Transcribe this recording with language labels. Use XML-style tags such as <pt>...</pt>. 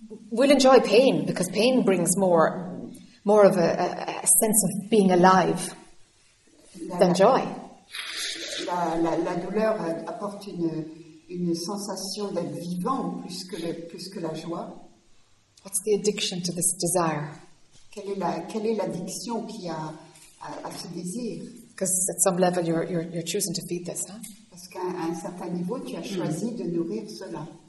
<en>We'll enjoy pain because pain brings more of a sense of being alive. Than joy.</en> <fr>La douleur apporte une sensation d'être vivant plus que la joie.</fr> <en>What's the addiction to this desire?</en> <fr>Quelle est l'addiction qui a à ce désir?</fr> <en>Because at some level you're choosing to feed this, huh?</en> <fr>Parce qu'à un certain niveau tu as choisi de nourrir cela.</fr>